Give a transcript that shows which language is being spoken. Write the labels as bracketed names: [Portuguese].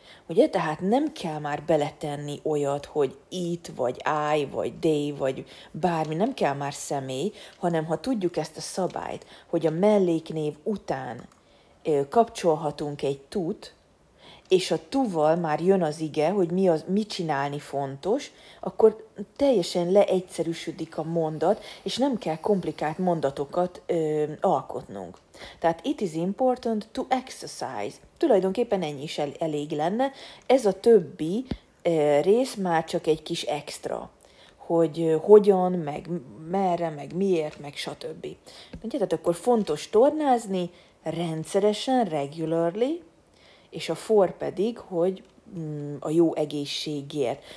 [Hungarian] Ugye, tehát nem kell már beletenni olyat, hogy it, vagy I, vagy they, vagy bármi, nem kell már személy, hanem ha tudjuk ezt a szabályt, hogy a melléknév után kapcsolhatunk egy tut, és a tuval már jön az ige, hogy mi csinálni fontos, akkor teljesen leegyszerűsödik a mondat, és nem kell komplikált mondatokat alkotnunk. [English] Tehát it is important to exercise. [Hungarian] Tulajdonképpen ennyi is elég lenne. Ez a többi rész már csak egy kis extra, hogy hogyan, meg merre, meg miért, meg stb. Tehát akkor fontos tornázni rendszeresen, regularly, és a for pedig, hogy a jó egészségért.